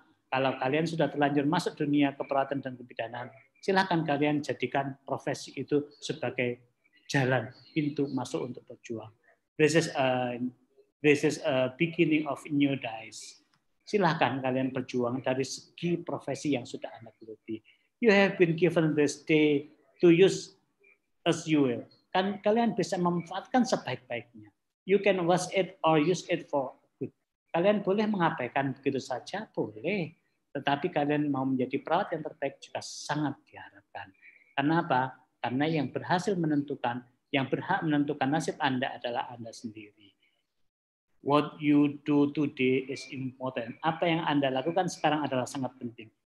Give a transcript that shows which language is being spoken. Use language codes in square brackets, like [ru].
[id] Kalau kalian sudah terlanjur masuk dunia keperawatan dan kebidanan, silakan kalian jadikan profesi itu sebagai jalan pintu masuk untuk berjuang. [en] This is this is a beginning of new days. [id] Silakan kalian berjuang dari segi profesi yang sudah Anda geluti. [en] You have been given this day to use as you will. [id] Kan kalian bisa memanfaatkan sebaik-baiknya. [en] You can waste it or use it for good. [id] Kalian boleh mengabaikan begitu saja, boleh. Tetapi kalian mau menjadi perawat yang terbaik juga sangat diharapkan. Kenapa? Karena yang berhasil menentukan, yang berhak menentukan nasib Anda adalah Anda sendiri. [en] What you do today is important. [id] Apa yang Anda lakukan sekarang adalah sangat penting.